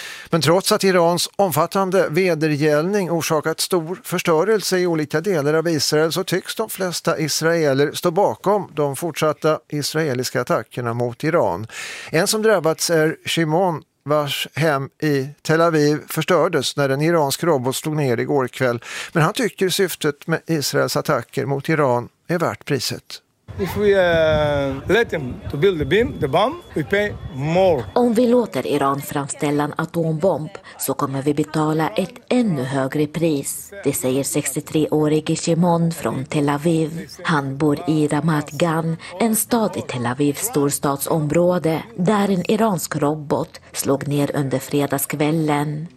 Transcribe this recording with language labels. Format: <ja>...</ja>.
<sv>Men trots att Irans omfattande vedergällning orsakat stor förstörelse i olika delar av Israel, så tycks de flesta israeler stå bakom de fortsatta israeliska attackerna mot Iran. En som drabbats är Shimon, vars hem i Tel Aviv förstördes när en iransk robot slog ner igår kväll. Men han tycker syftet med Israels attacker mot Iran är värt priset.</sv> <en>If we let them to build the beam, the bomb, we pay more.</en> <sv>Om vi låter Iran framställa en atombomb, så kommer vi betala ett ännu högre pris. Det säger 63-årige Shimon från Tel Aviv. Han bor i Ramat Gan, en stad i Tel Avivs storstadsområde, där en iransk robot slog ner under fredagskvällen.</sv>